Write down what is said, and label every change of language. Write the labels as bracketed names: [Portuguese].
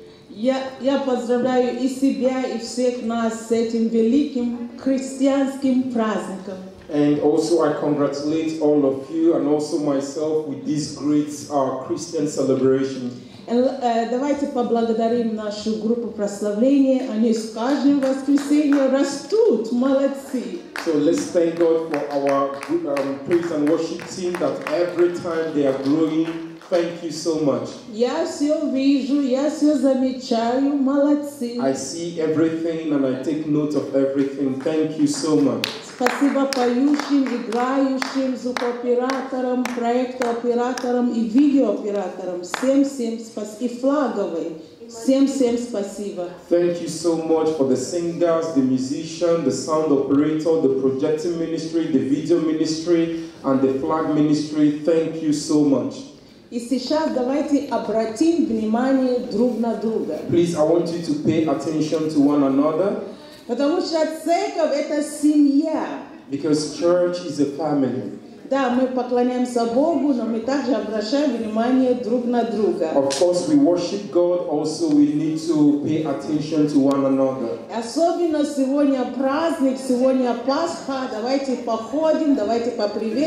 [Russian] Я поздравляю и себя и всех нас с этим великим христианским праздником. [English] And also I congratulate all of you and also myself with this great Christian celebration. [Russian] Давайте поблагодарим нашу группу прославления. Они с каждым воскресеньем растут. Молодцы. [English] So let's thank God for our praise and worship team that every time they are growing. Thank you so much. Yes, eu vejo, yes, eu замечаю. Молодцы. I see everything and I take note of everything. Thank you so much. [Russian] Спасибо поющим, играющим, звукооператорам, проектооператорам и видеооператорам. Всем-всем спасибо. И флаговой. Всем-всем спасибо. [English] Thank you so much for the singers, the musicians, the sound operator, the projecting ministry, the video ministry, and the flag ministry. Thank you so much. [Russian] И сейчас давайте обратим внимание друг на друга. [English] Please, I want you to pay attention to one another. [Russian] Потому что церковь — это семья. [English] Because church is a family. [Russian] Да, мы поклоняемся Богу, но мы также обращаем внимание друг на друга. [English] Of course, we worship God, also we need to pay attention to one another. [Russian] Особенно сегодня праздник, сегодня Пасха, давайте походим, давайте поприветствуем.